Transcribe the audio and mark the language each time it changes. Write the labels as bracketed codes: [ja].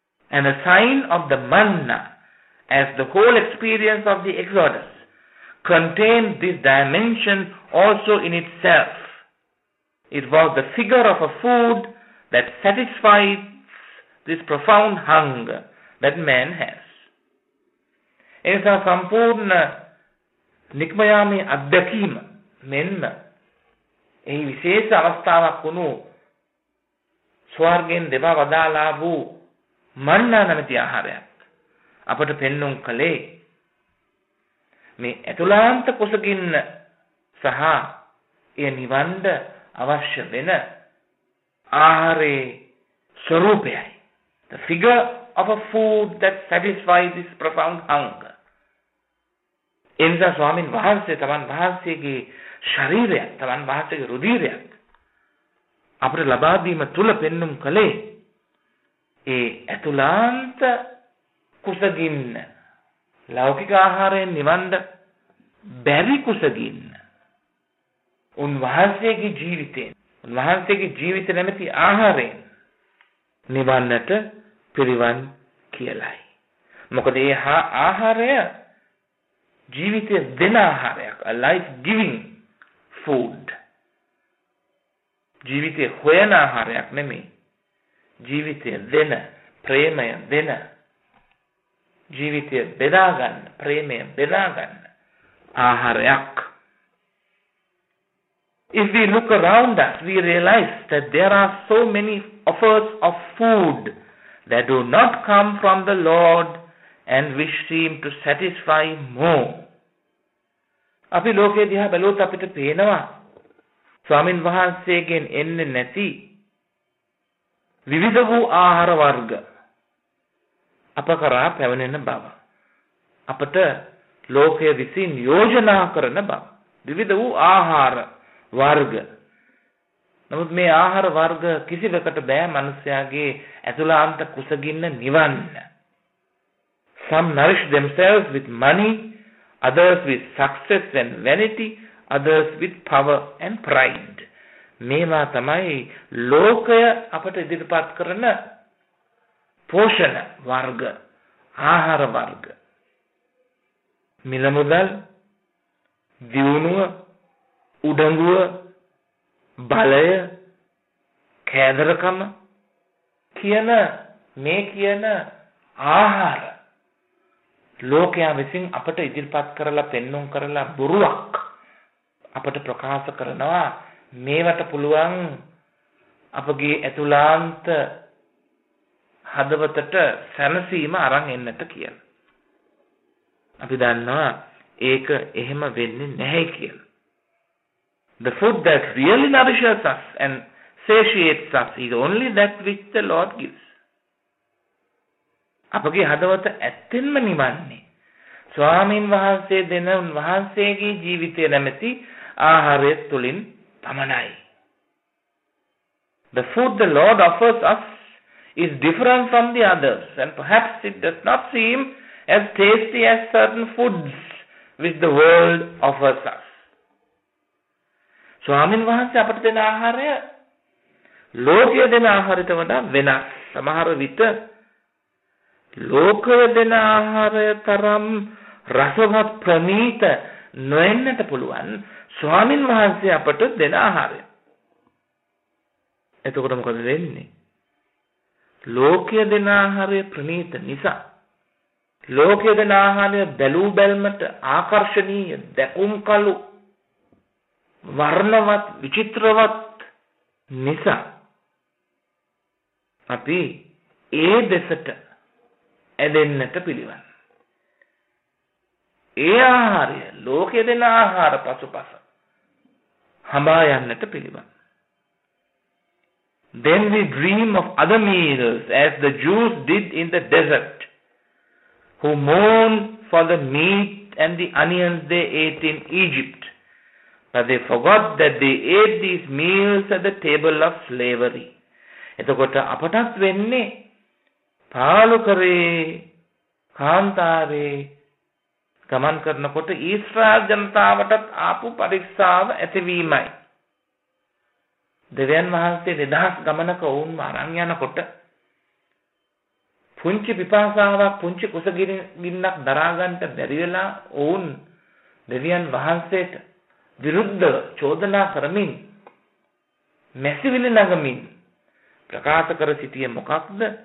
[en] And the sign of the manna, as the whole experience of the Exodus, contained this dimension also in itself. It was the figure of a food that satisfies this profound hunger that man has. [si] එනිසා සම්පූර්ණ නික්මයාමේ අධ්‍යක්ීම මෙන්න එහි විශේෂ අවස්ථාවක් වුණු ස්වර්ගයෙන් දෙවා වදාලා වූ මන්නා නැමැති ආහාරයක් අපට පෙන්නුම් කළේ මේ ඇතුළාන්ත කුසගින්න සහ එය නිවන්ඩ අවශ්‍ය වෙන ආහාරයේ ස්වරූපයයි. [en] The figure of a food that satisfies this profound hunger. [si] එනිසා ස්වාමීන් වහන්සේ තමන් වහන්සේගේ ශරීරයක් තමන් වහන්සේගේ රුධිරයක් අපට ලබා දීම තුල පෙන්눔 කළේ ඒ ඇතුළාන්ත කුසගින්න ලෞකික ආහාරයෙන් නිවන්ද බැරි කුසගින්න උන්වහන්සේගේ ජීවිතයෙන් උන්වහන්සේගේ ජීවිත නැමැති ආහාරයෙන් නිවන්නට පිරිවන් කියලයි. මොකද ඒ හා ආහාරය ජීවිතය දෙන ආහාරයක්, [en] a life giving food. [si] ජීවිතය හොයන ආහාරයක් නෙමෙයි, ජීවිතය දෙන, ප්‍රේමය දෙන, ජීවිතය බෙදා ගන්න, ප්‍රේමය බෙදා ගන්න ආහාරයක්. [en] If we look around us, we realize that there are so many offers of food that do not come from the Lord and which seem to satisfy more. [si] අපි ලෝකේ දිහා බැලුවොත් අපිට පේනවා ස්වාමින් වහන්සේගෙන් එන්නේ නැති විවිධ වූ ආහාර වර්ග අප කරා පැවෙන බව, අපට ලෝකය විසින් යෝජනා කරන බව, විවිධ වූ ආහාර වර්ග. නමුත් මේ ආහාර වර්ග කිසිවකට බෑ මිනිසයාගේ ඇතුළාන්ත කුසගින්න නිවන්න. [en] Some nourish themselves with money, others with success and vanity, others with power and pride. [si] මේවා තමයි ලෝකය අපට ඉදිරිපත් කරන පෝෂණ වර්ග, ආහාර වර්ග. මිලමුදල්, දියුණුව, උඩඟුව, බලය, කෑදරකම කියන මේ කියන ආහාර ලෝකයා විසින් අපට ඉදිරිපත් කරලා පෙන්නුම් කරලා බොරුවක් අපට ප්‍රකාශ කරනවා. මේවට පුළුවන් අපගේ ඇතුළාන්ත හදවතට සැනසීම අරන් එන්නට කියලා. අපි දන්නවා ඒක එහෙම වෙන්නේ නැහැ කියලා. [en] The food that really nourishes us and satiates us is only that which the Lord gives. [si] අපගේ හදවත ඇත්තෙන්ම නිවන්නේ ස්වාමීන් වහන්සේ දෙන උන්වහන්සේගේ ජීවිතය නැමැති ආහාරය තුළින් පමණයි. [en] The food the Lord offers us is different from the others, and perhaps it does not seem as tasty as certain foods which the world offers us. [si] ස්වාමීන් වහන්සේ අපට දෙන ආහාරය ලෝකය දෙන ආහාරයට වඩා වෙනස්. සමහර විට ලෝකය දෙන ආහාරය තරම් රසවත් ප්‍රණීත නොවෙන්නට පුළුවන් ස්වාමින් වහන්සේ අපට දෙන ආහාරය. එතකොට මොකද වෙන්නේ? ලෝකය දෙන ආහාරය ප්‍රණීත නිසා, ලෝකය දෙන ආහාරය බැලූ බැල්මට ආකර්ශනීය, දැකුම් කළු, වර්ණවත්, විචිත්‍රවත් නිසා අපි ඒ දෙසට ඇදෙන්නට පිළිවන්. ඒ ආහාරය ලෝකය දෙන ආහාර පසුපස හඹා යන්නට පිළිවන්. [en] Then we dream of other meals as the Jews did in the desert, who mourned for the meat and the onions they ate in Egypt, but they forgot that they ate these meals at the table of slavery. [si] එතකොට අපටත් වෙන්නේ පාළු කරේ කාන්තාරේ ගමන් කරනකොට ඊශ්‍රායල් ජනතාවටත් ආපු පරික්ෂාව ඇතිවීමයි. දෙවියන් වහන්සේ නිදහස් ගමනක ඔවුන්ව අරන් යනකොට පුංචි පිපාසාවක්, පුංචි කුසගින්නක් දරාගන්න බැරි වෙලා ඔවුන් දෙවියන් වහන්සේට විරුද්ධ චෝදනා කරමින්, මැසිවිලි නගමින් ප්‍රකාශ කර සිටියේ මොකක්ද?